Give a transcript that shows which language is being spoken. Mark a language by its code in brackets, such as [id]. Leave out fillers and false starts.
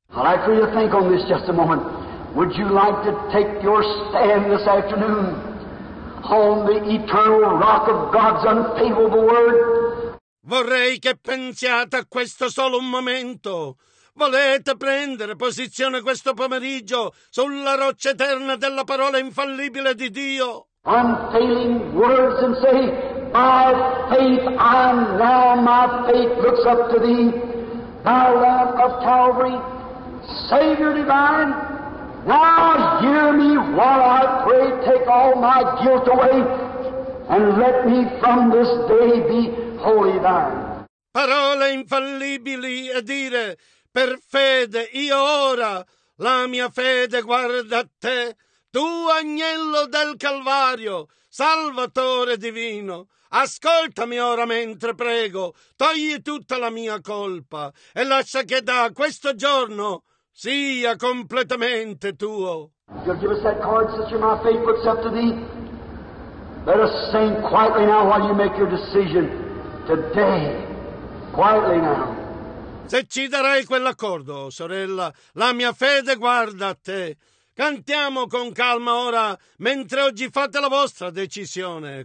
[en] I'd like for you to think on this just a moment. Would you like to take your stand this afternoon on the eternal rock of God's unfavorable word? [it] Vorrei che pensiate a questo solo un momento. Volete prendere posizione questo pomeriggio sulla roccia eterna della parola infallibile di Dio? [en] Unfailing words and say, by faith I am now, my faith looks up to thee, thou Lamb of Calvary, Savior divine, now hear me while I pray, take all my guilt away, and let me from this day be wholly thine. [it] Parole infallibili a dire, per fede io ora, la mia fede guarda a te. Tu agnello del Calvario, Salvatore divino, ascoltami ora mentre prego, togli tutta la mia colpa e lascia che da questo giorno sia completamente tuo. [en] You'll give us that card, sister, my faith looks up to thee. Let us sing quietly now while you make your decision. Today, quietly now. [it] Se ci darai quell'accordo, sorella, la mia fede guarda a te. Cantiamo con calma ora, mentre oggi fate la vostra decisione.